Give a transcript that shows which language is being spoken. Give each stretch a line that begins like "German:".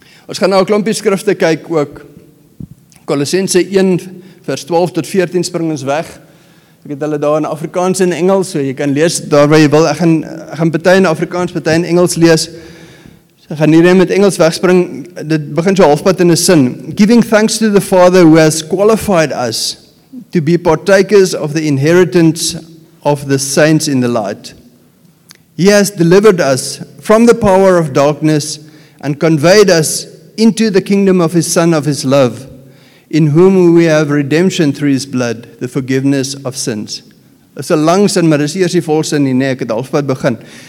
Afrikaans: Ons gaan nou 'n klompie skrifte kyk ook, Kolossense 1 vers 12 tot 14 spring ons weg, ek het hulle daar in Afrikaans en Engels, so jy kan lees daar waar jy wil, ek gaan party in Afrikaans, party in Engels lees, ek gaan hierin met Engels wegspring, dit begin so halfpad in 'n sin.
English: Giving thanks to the Father who has qualified us to be partakers of the inheritance of the saints in the light. He has delivered us from the power of darkness and conveyed us into the kingdom of his Son of his love, in whom we have redemption through his blood, the forgiveness of sins.
Afrikaans: Dit is 'n lang sin, maar dit is eers die volle sin nie, ek het halfpad begin.